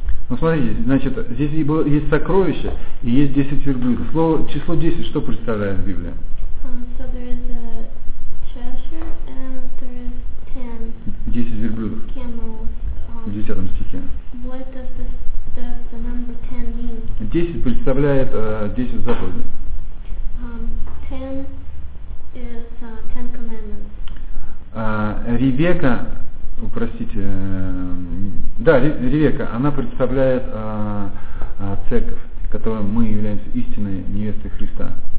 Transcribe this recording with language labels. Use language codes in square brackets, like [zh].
[ru] Ну смотрите, значит, здесь есть сокровища и есть 10 верблюдов. Число 10 что представляет Библия? [en] So there is a treasure and there is 10. [ru] 10 верблюдов. [en] Camels. [ru] В 10 стихе. [en] What does the number 10 mean? [ru] 10 представляет 10 заповедей. [en] 10 is 10 commandments. [ru] Ревека, простите, да, Ревека, она представляет церковь, которой мы являемся истинной невестой Христа.